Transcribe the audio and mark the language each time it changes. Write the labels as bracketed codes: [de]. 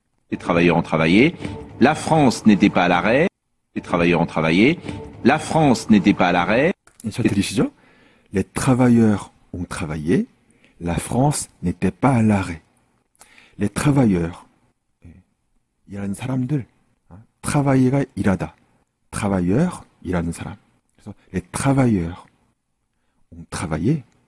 [fr] Les travailleurs ont travaillé. La France n'était pas à l'arrêt. Les travailleurs ont travaillé. La France n'était pas à l'arrêt. Les travailleurs ont travaillé. La France n'était pas à l'arrêt. Les travailleurs. [ko] 일하는 사람들. Travailler가 일하다. Travailleurs, 일하는 사람. [fr] Les travailleurs ont travaillé.